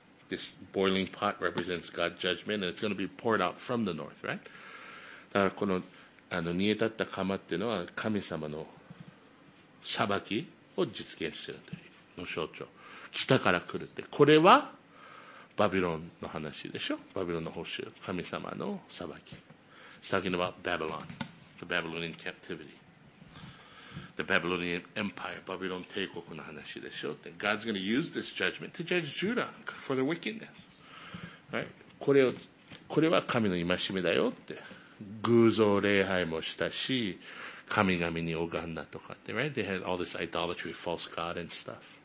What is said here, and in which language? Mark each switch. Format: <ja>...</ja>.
<en>This boiling pot represents God's judgment and it's going to be poured out from the north, right?</en> <ja>だからこの、煮え立った釜っていうのは神様の裁きを実現しているというの象徴。北から来るって。これはバビロンの話でしょ。バビロンの捕囚、神様の裁き。</ja> <en>It's talking about Babylon, the Babylonian captivity. The Babylonian Empire, Babylon</en> <ja>帝国の話でしょ。</ja> <en>God's going to use this judgment to judge Judah for their wickedness. Right?</en> <ja>これは神の戒めだよって。偶像礼拝もしたし、神々に拝んだとかって。</ja> <en>Right? They had all this idolatry, false god and stuff.</en>